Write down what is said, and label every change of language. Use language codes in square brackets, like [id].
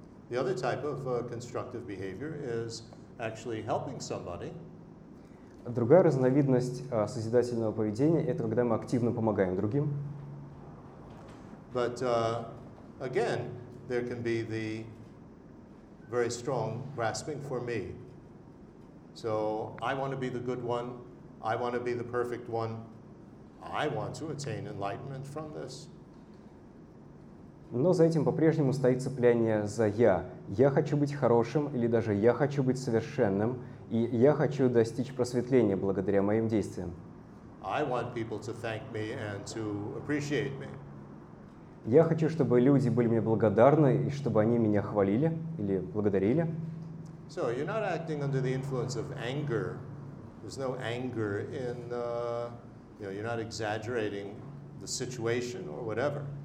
[en] The other type of constructive behavior is actually helping somebody. [ru] Другая разновидность созидательного поведения — это когда мы активно помогаем другим. [en] But again, there can be the very strong grasping for me. So I want to be the good one. I want to be the perfect one. I want to attain enlightenment from this. [ru] Но за этим по-прежнему стоит цепляние за «я». «Я хочу быть хорошим» или даже «я хочу быть совершенным» и «я хочу достичь просветления благодаря моим действиям». [en] I want people to thank me and to appreciate me. [ru] «Я хочу, чтобы люди были мне благодарны и чтобы они меня хвалили или благодарили». [en] So you're not acting under the influence of anger. There's no anger in, you know, you're not exaggerating the situation or whatever.